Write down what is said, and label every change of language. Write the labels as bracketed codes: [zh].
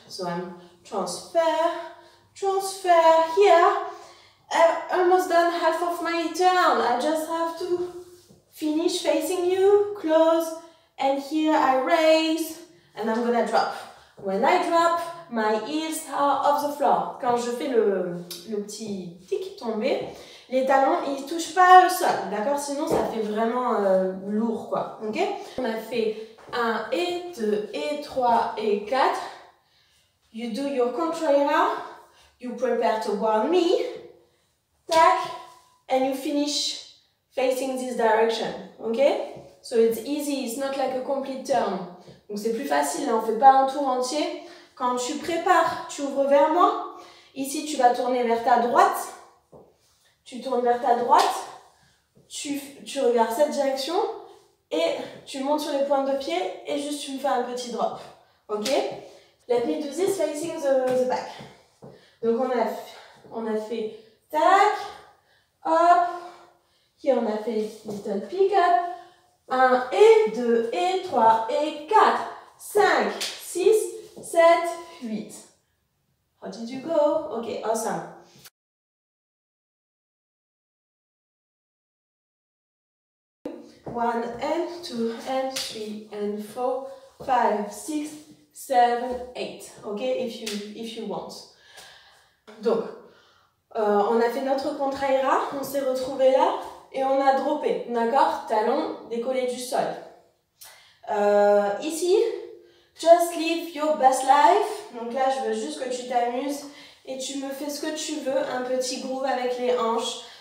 [en] So I'm transfer here. I'm almost done half of my turn. I just have to. Finish facing you, close, and here I raise, and I'm gonna drop. When I drop, my heels are off the floor. [fr] Quand je fais le petit tic tomber, les talons, ils touchent pas le sol, d'accord? Sinon, ça fait vraiment lourd, quoi, ok? On a fait 1 et 2 et 3 et 4. [en] You do your contraire, you prepare to warm me, tac, and you finish. Facing this direction, ok? So it's easy, it's not like a complete turn. [fr] Donc c'est plus facile, on ne fait pas un tour entier. Quand tu prépares, tu ouvres vers moi. Ici, tu vas tourner vers ta droite. Tu tournes vers ta droite. Tu regardes cette direction. Et tu montes sur les pointes de pied. Et juste, tu me fais un petit drop. [en] Ok? Let me do this facing the back. [fr] Donc on a fait tac, hop. [en] Here [fr] on a fait [en] little pick up, [fr] 1 et 2 et 3 et 4, [en] 5, 6, 7, 8. How did you go? Ok, awesome. One and two and three and four, five, six, seven, eight. Okay, if you want. [fr] Donc, on a fait notre contraira, on s'est retrouvé là et on a droppé, d'accord? Talon décollé du sol. Ici, [en] just live your best life. [fr] Donc là, je veux juste que tu t'amuses et tu me fais ce que tu veux, un petit groove avec les hanches.